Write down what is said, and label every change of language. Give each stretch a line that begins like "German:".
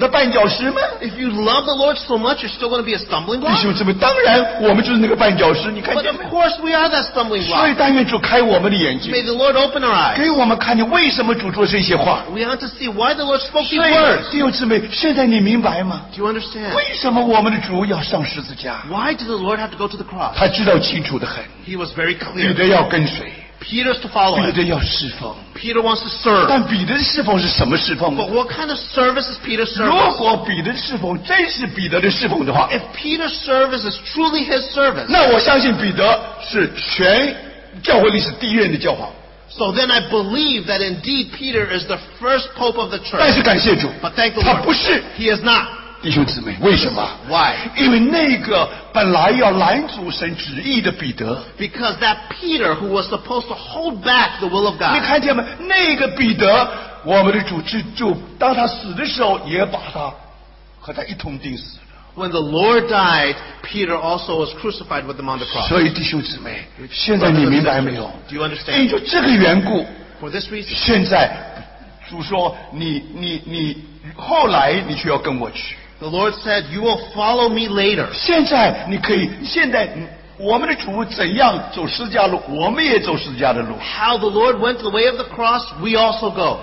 English: If you love the Lord so much, you're still going to be a stumbling block.
Chinese: 弟兄姊妹，当然我们就是那个绊脚石，你看见没
English: ？But of course we are that stumbling block.
Chinese: 所以但愿主开我们的眼睛。
English: May the Lord open our eyes.
Chinese: 给我们看见为什么主说这些话。
English: We want to see why the Lord spoke these words.
Chinese: 弟兄姊妹，现在你明白吗
English: ？Do you understand?
Chinese: 为什么我们的主要上十字架
English: ？Why did the Lord have to go to the cross?
Chinese: 他知道清楚的很。
English: He was very clear.
Chinese: 彼得要跟随。
English: Peter's to follow.
Chinese: 彼得要侍奉。
English: Peter wants to serve.
Chinese: 但彼得的侍奉是什么侍奉
English: ？But what kind of service is Peter's service?
Chinese: 如果彼得的侍奉真是彼得的侍奉的话
English: ，If Peter's service is truly his service,
Chinese: 那我相信彼得是全教会历史第一任的教皇。
English: So then I believe that indeed Peter is the first pope of the church.
Chinese: 但是感谢主
English: ，But thank the Lord,
Chinese: 他不是
English: ，He is not.
Chinese: 弟兄姊妹，为什么？
English: Why?
Chinese: 因为那个本来要拦阻神旨意的彼得。
English: Because that Peter who was supposed to hold back the will of God.
Chinese: 你看见没？那个彼得，我们的主就当他死的时候，也把他和他一同钉死。
English: When the Lord died, Peter also was crucified with him on the cross.
Chinese: 所以弟兄姊妹，现在你明白没有？
English: Do you understand?
Chinese: 就这个缘故。
English: For this reason.
Chinese: 现在主说你后来你却要跟我去。
English: The Lord said, you will follow me later.
Chinese: 现在你可以，现在我们的主怎样走十字架路，我们也走十字架的路。
English: How the Lord went the way of the cross, we also go.